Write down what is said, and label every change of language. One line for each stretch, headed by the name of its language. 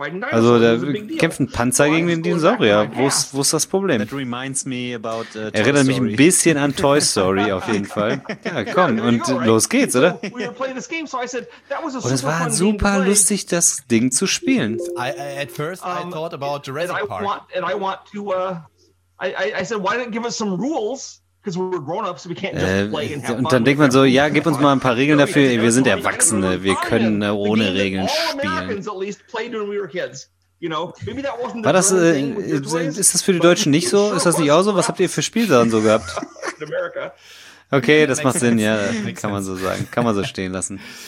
German: Also, da kämpfen Panzer gegen den Dinosaurier. Wo ist das Problem? Erinnert mich ein bisschen an Toy Story auf jeden Fall. Ja, komm, und los geht's, oder? Und es war super lustig, das Ding zu spielen.
English: At first, I thought about Jurassic Park. And I want to. I said, why don't give us some rules? Because we're grown-ups, so we can't just play and have fun.
German: Und dann denkt man so, ja, gib uns mal ein paar Regeln dafür. Wir sind Erwachsene, wir können ohne Regeln spielen. War das, ist das für die Deutschen nicht so? Ist das nicht auch so? Was habt ihr für Spielsachen so gehabt? Okay, das macht Sinn, ja, kann man so sagen. Kann man so stehen lassen.